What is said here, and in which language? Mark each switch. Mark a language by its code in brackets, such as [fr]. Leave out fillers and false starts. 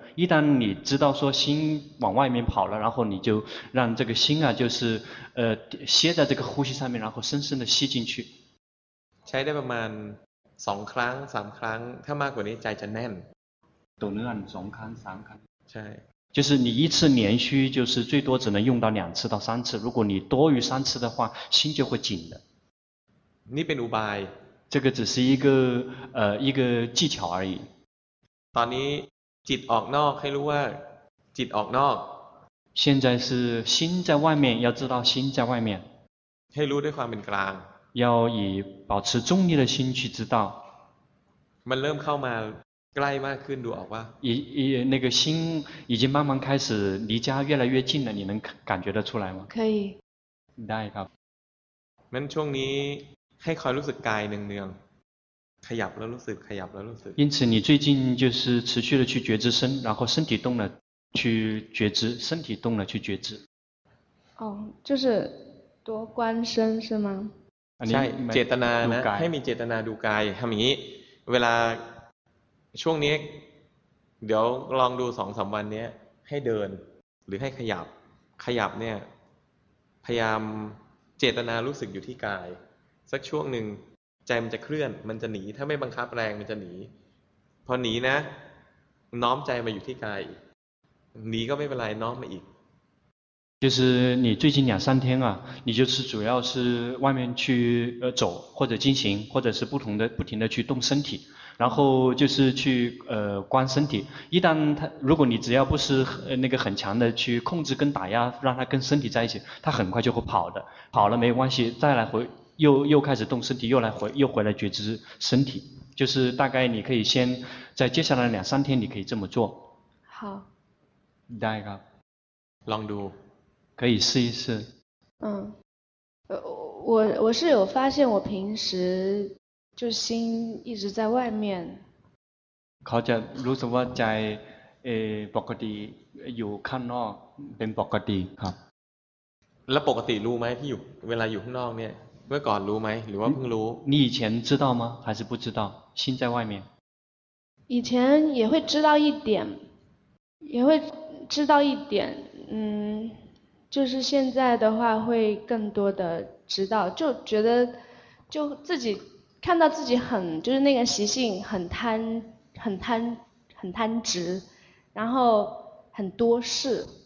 [zh] 一旦你知道说心往外面跑了，然后你就让这个心啊，就是歇在这个呼吸上面，然后深深的吸进去。 [th] ใช้ได้ประมาณ2ครั้ง3ครั้งถ้ามากกว่านี้ใจจะแน่น。 [zh] 都能按2ครั้ง3ครั้ง。 [th] ใช่ [zh] 。就是你一次连续就是最多只能用到2次到3次，如果你多于3次的话，心就会紧的。 [th] นี่เป็นอุบาย。 [zh] 这个只是一个技巧而已。 [th] ตอนนี้จิตออกนอกให้รู้ว่าจิตออกนอก。 [zh] 现在是心在外面，要知道心在外面。 [th] ให้รู้ด้วยความเป็นกลาง。 [zh] 要以保持中立的心去知道。 [th] มันเริ่มเข้ามาใกล้มากขึ้นดูออกว่า。 [zh] 那个心已经慢慢开始离家越来越近了，你能感觉得出来吗？可以。 [th] ได้ครับ。 มันช่วงนี้ให้คอยรู้สึกกายเนืองๆขยับแล้วรู้สึกขยับแล้วรู้สึก [zh] 因此你最近就是持续的去觉知身然后身体动了去觉知身体动了去觉知哦就是多观身是吗 [th] ใช่เจตนานะให้มีเจตนาดูกายทำอย่างนี้เวลาช่วงนี้เดี๋ยวลองดู 2-3 วันนี้ให้เดินหรือให้ขยับขยับเนี่ยพยายามเจตนารู้สึกอยู่ที่กายสักช่วงหนึ่งใจมันจะเคลื่อนมันจะหนีถ้าไม่บังคับแรงมันจะหนีพอหนีนะน้อมใจมาอยู่ที่กายหนีก็ไม่เป็นไรน้อมมาอีก [zh] 就是你最近两三天啊你就是主要是外面去走或者进行或者是不同的不停的去动身体然后就是去观身体一旦他如果你只要不是那个很强的去控制跟打压让他跟身体在一起他很快就会跑的跑了没关系再来回又开始动身体，又回来觉知身体，就是大概你可以先在接下来两三天，你可以这么做。好。第二个，朗读，可以试一试。嗯，我是有发现，我平时就心一直在外面。 [th] เขาจะรู้สึกว่าใจปกติอยู่ข้างนอกเป็นปกติครับ。 แล้วปกติรู้ไหมที่อยู่เวลาอยู่ข้างนอกเนี่ยเมื่อก่อนรู้ไหมหรือว่าเพิ่งรู้ [zh] 你以前知道吗还是不知道心在外面以前也会知道一点也会知道一点嗯就是现在的话会更多的知道就觉得就自己看到自己很就是那个习性很贪执然后很多事